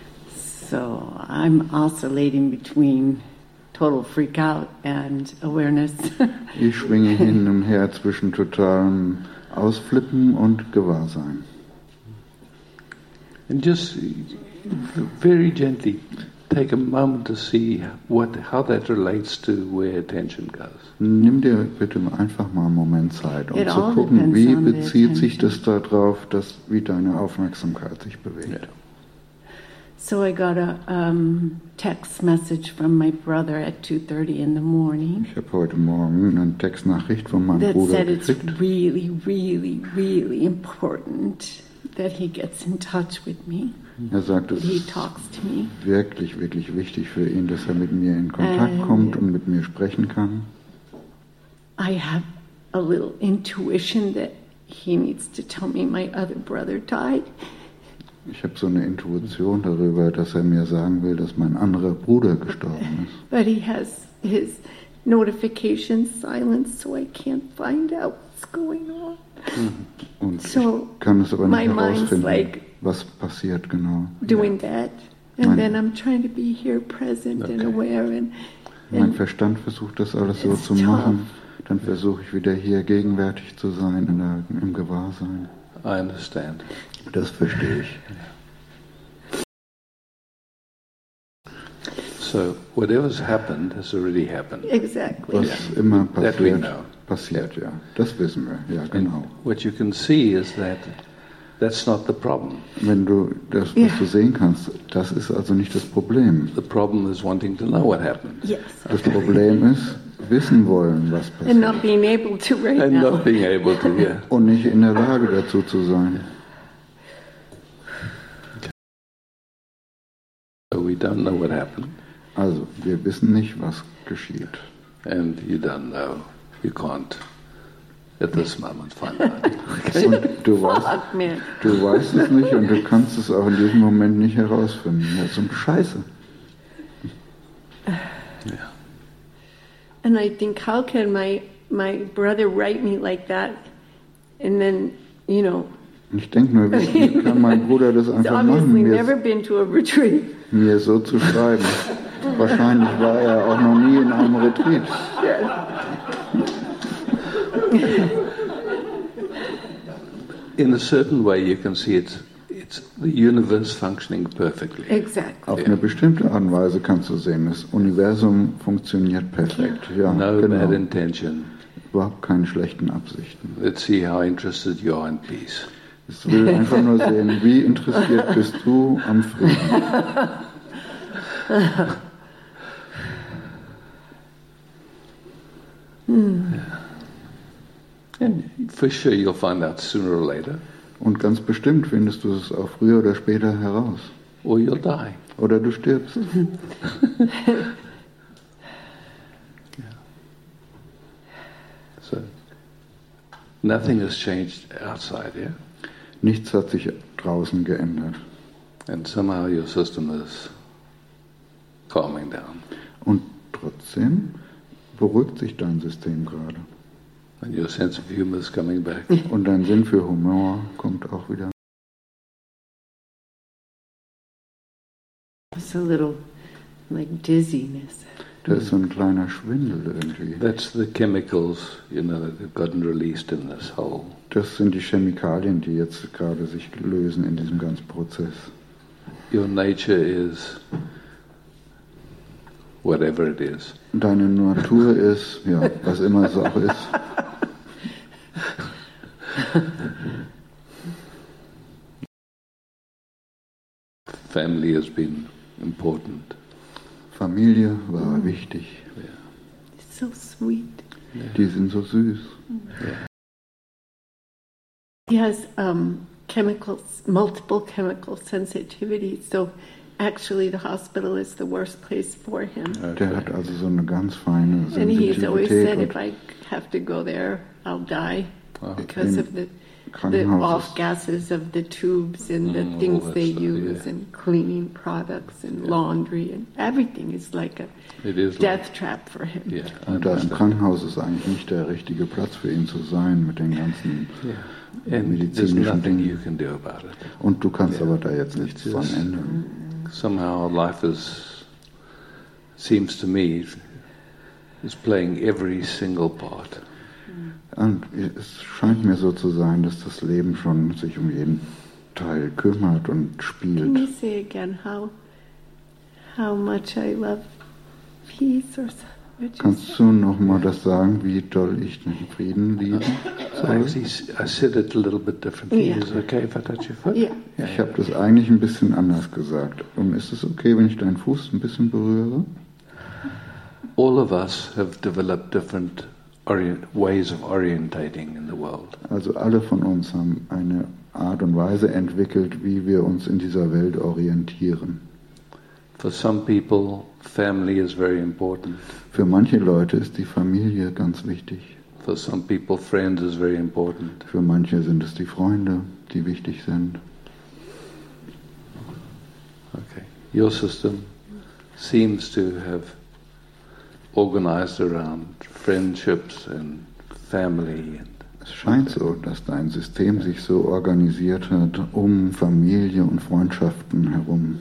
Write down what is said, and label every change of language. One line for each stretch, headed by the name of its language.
English: So, I'm oscillating between total freak out and awareness.
German: Ich schwinge hin und her zwischen totalem Ausflippen und Gewahrsein.
English: And just very gently take a moment to see how that relates to where attention goes.
German: Nimm dir bitte einfach mal einen Moment Zeit, um zu gucken, wie bezieht sich das darauf, dass wie deine Aufmerksamkeit sich bewegt.
English: So I got a text message from my brother at 2:30 in the morning.
German: Ich habe heute Morgen eine Textnachricht von meinem Bruder gekriegt.
English: That said, it's really, really, really important that he gets in touch with me.
German: Er sagt, es ist wirklich, wirklich wichtig für ihn, dass er mit mir in Kontakt kommt und mit mir sprechen kann.
English: I have a little intuition that he needs to tell me my other brother died.
German: Ich habe so eine Intuition darüber, dass er mir sagen will, dass mein anderer Bruder gestorben ist.
English: But he has his notifications silenced, so I can't find out what's going on.
German: Und so ich kann es aber nicht herausfinden, like was passiert genau.
English: Doing that, and then I'm trying to be here present and aware.
German: Mein Verstand versucht das alles so zu machen, dann versuche ich wieder hier gegenwärtig zu sein, im Gewahrsein.
English: I understand.
German: Das verstehe ich.
English: So, whatever's happened has already happened. Exactly.
German: Was immer passiert,
English: that we know.
German: Passiert, ja. Das wissen wir, ja, genau.
English: And what you can see is that that's not the problem.
German: Wenn du das, was du sehen kannst, das ist also nicht das Problem.
English: The problem is wanting to know what happened. Yes.
German: Das Problem ist, wissen wollen, was passiert.
English: And not being able to right And now. Not being able to, yeah.
German: Und nicht in der Lage dazu zu sein.
English: So we don't know what happened.
German: Also, wir wissen nicht, was geschieht.
English: And you don't know. You can't at this moment find out. Okay.
German: Und du weißt, es nicht und du kannst es auch in diesem Moment nicht herausfinden. Das ist ein Scheiße.
English: And I think, how can my brother write me like that? And then, you know.
German: Ich denke nur, wie kann mein Bruder das einfach machen?
English: He's obviously never been to a retreat.
German: Mir so zu schreiben. Wahrscheinlich war er auch noch nie in einem Retreat.
English: Yeah. in a certain way you can see it's the universe functioning perfectly. Exactly.
German: Auf eine bestimmte Art und Weise kannst du sehen, das Universum funktioniert perfekt. Ja, no genau.
English: Bad intention.
German: Überhaupt keine schlechten Absichten.
English: Let's see how interested you are in peace.
German: Ich will einfach nur sehen, wie interessiert bist du am Frieden.
English: And for sure you'll find out sooner or later.
German: Und ganz bestimmt findest du es auch früher oder später heraus.
English: Or you'll die.
German: Oder du stirbst.
English: So, nothing has changed outside, yeah?
German: Nichts hat sich draußen geändert.
English: And somehow your system is calming down.
German: Und trotzdem beruhigt sich dein System gerade.
English: And your sense of humor is coming back.
German: Und dein Sinn für Humor kommt auch wieder.
English: It's a little like dizziness.
German: Da ist so ein kleiner Schwindel irgendwie.
English: That's the chemicals, you know, that have gotten released in this whole.
German: Das sind die Chemikalien, die jetzt gerade sich lösen in diesem ganzen Prozess.
English: Your nature is whatever it is.
German: Deine Natur ist, ja, was immer es auch ist.
English: Family has been important.
German: Familie war wichtig.
English: It's so sweet.
German: Die sind so süß.
English: He has chemicals, multiple chemical sensitivities, so actually the hospital is the worst place for him.
German: Der hat also so eine ganz feine Sensitivität.
English: And he's always said, if I have to go there, I'll die. Because of the off gases of the tubes and the things they use and cleaning products and laundry and everything is like a death trap for him. Yeah.
German: Und das Krankenhaus ist eigentlich nicht der richtige Platz für ihn zu sein mit den ganzen medizinischen Dingen.
English: You can do about it.
German: Und du kannst aber da jetzt nichts dran ändern.
English: Somehow life is, seems to me, is playing every single part.
German: Und es scheint mir so zu sein, dass das Leben schon sich um jeden Teil kümmert und spielt.
English: Can you say again how much I love peace or something?
German: Kannst du noch mal das sagen, wie doll ich den Frieden liebe?
English: I said it a little bit differently. Yeah. Is it okay if I touch your foot? Yeah.
German: Ich habe das eigentlich ein bisschen anders gesagt. Und ist es okay, wenn ich deinen Fuß ein bisschen berühre?
English: All of us have developed different ways of orientating in the world.
German: Also alle von uns haben eine Art und Weise entwickelt, wie wir uns in dieser Welt orientieren.
English: For some people, family is very important.
German: Für manche Leute ist die Familie ganz wichtig.
English: For some people, friends is very important.
German: Für manche sind es die Freunde, die wichtig sind.
English: Okay. Your system seems to have organized around friendships and family.
German: Es scheint so, dass dein System sich so organisiert hat um Familie und Freundschaften herum.